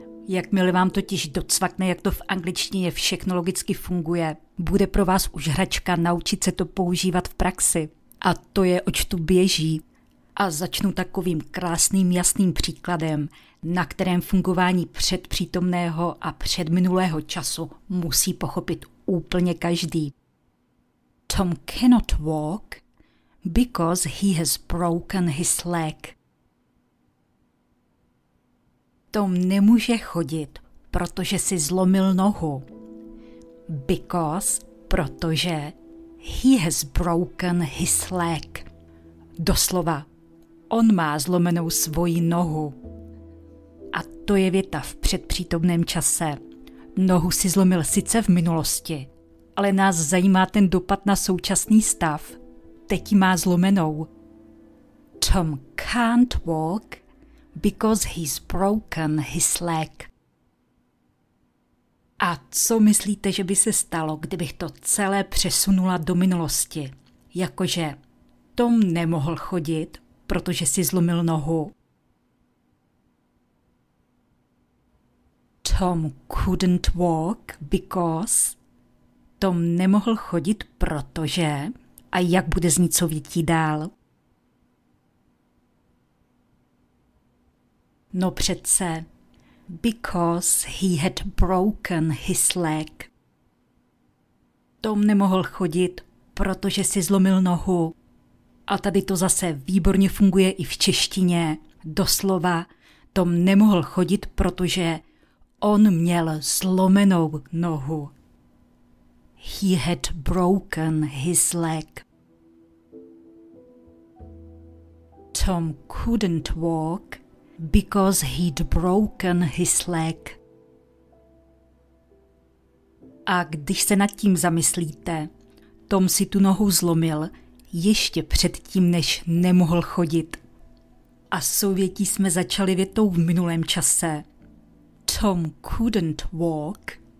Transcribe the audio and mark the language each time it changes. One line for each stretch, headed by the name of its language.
Czech: Jakmile vám totiž docvakne, jak to v angličtině všechno logicky funguje, bude pro vás už hračka naučit se to používat v praxi. A to je, oč tu běží. A začnu takovým krásným jasným příkladem, na kterém fungování předpřítomného a předminulého času musí pochopit úplně každý.
English: Tom cannot walk because he has broken his leg.
Czech: Tom nemůže chodit, protože si zlomil nohu.
English: Because, protože he has broken his leg.
Czech: Doslova, on má zlomenou svoji nohu. A to je věta v předpřítomném čase. Nohu si zlomil sice v minulosti, ale nás zajímá ten dopad na současný stav. Teď má zlomenou.
English: Tom can't walk because he's broken his leg.
Czech: A co myslíte, že by se stalo, kdybych to celé přesunula do minulosti? Jakože Tom nemohl chodit, protože si zlomil nohu.
English: Tom couldn't walk because... Tom nemohl chodit, protože...
Czech: A jak bude znít souvětí dál?
English: No přece, because he had broken his leg.
Czech: Tom nemohl chodit, protože si zlomil nohu. A tady to zase výborně funguje i v češtině. Doslova, Tom nemohl chodit, protože on měl zlomenou nohu.
English: He had broken his leg. Tom couldn't walk because he'd broken his leg.
Czech: A když se nad tím zamyslíte, Tom si tu nohu zlomil ještě předtím, než nemohl chodit. A souvětí jsme začali větou v minulém čase. Tom couldn't walk.